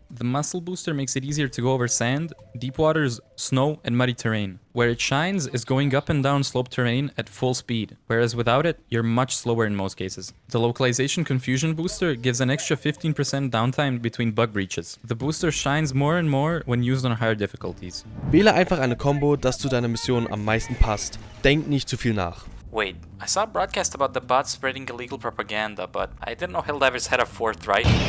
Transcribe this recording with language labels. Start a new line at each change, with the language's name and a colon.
English: The muscle booster makes it easier to go over sand, deep waters, snow, and muddy terrain. Where it shines is going up and down slope terrain at full speed, whereas without it, you're much slower in most cases. The localization confusion booster gives an extra 15% downtime between bug breaches. The booster shines more and more when used on higher difficulties.
German: Wähle einfach eine Combo, das zu deiner Mission am meisten passt. Denk nicht zu viel nach.
English: Wait, I saw a broadcast about the bots spreading illegal propaganda, but I didn't know Helldivers had a fourth, right?